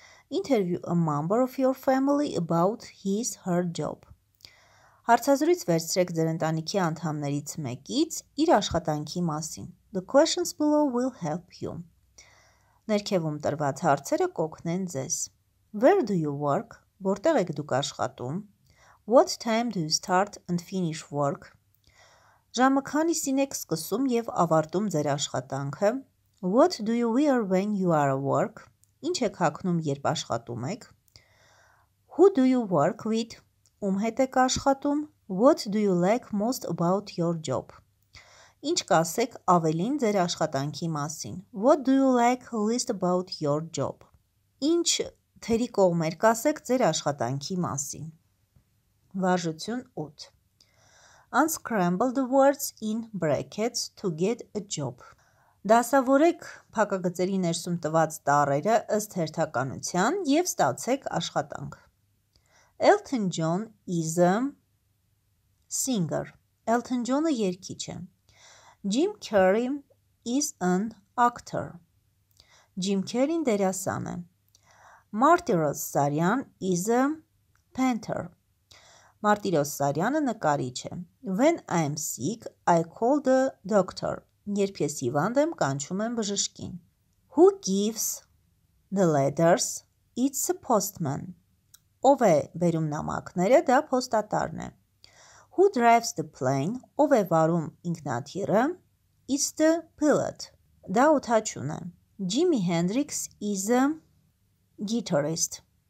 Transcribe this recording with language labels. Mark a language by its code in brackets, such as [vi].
[en] Interview a member of your family about his her job. [hy] Հարցազրույց վերցրեք ձեր ընտանիքի անդամներից մեկից իր աշխատանքի մասին. [en] The questions below will help you. [hy] Ներքևում տրված հարցերը կօգնեն ձեզ. [en] Where do you work? [hy] Որտեղ եք դուք աշխատում? [en] What time do you start and finish work? [hy] Ժամը քանիսին եք սկսում և ավարտում ձեր աշխատանքը? [en] What do you wear when you are at work? [hy] Ինչ եք հագնում, երբ աշխատում եք? [en] Who do you work with? [hy] Ում հետ եք աշխատում? [en] What do you like most about your job? [hy] Ինչ կասեք ավելին ձեր աշխատանքի մասին? [en] What do you like least about your job? [hy] Ինչ թերի կողմեր կասեք ձեր աշխատանքի մասին? Վարժություն 8. [en] Unscramble the words in brackets to get a job. [hy] Դասավորեք փակագծերի ներսում տված տառերը ըստ հերթականության և ստացեք աշխատանք. [en] Elton John is a singer. [hy] Elton John-ը երգիչ է. [en] Jim Carrey is an actor. [hy] Jim Carrey-ն դերասան է. [en] Մարտիրոս Սարյան is a painter. [hy] Մարտիրոս Սարյանը նկարիչ է. [en] When I am sick, I call the doctor. [hy] Երբ ես հիվանդ եմ, կանչում եմ բժշկին. [en] Who gives the letters? It's a postman. [hy] Ով է բերում նամակները, դա փոստատարն է. [en] Who drives the plane? [hy] Ով է վարում ինքնաթիռը? [en] It's the pilot. [hy] Դա ուտաչուն է. [en] Jimi Hendrix is a guitarist.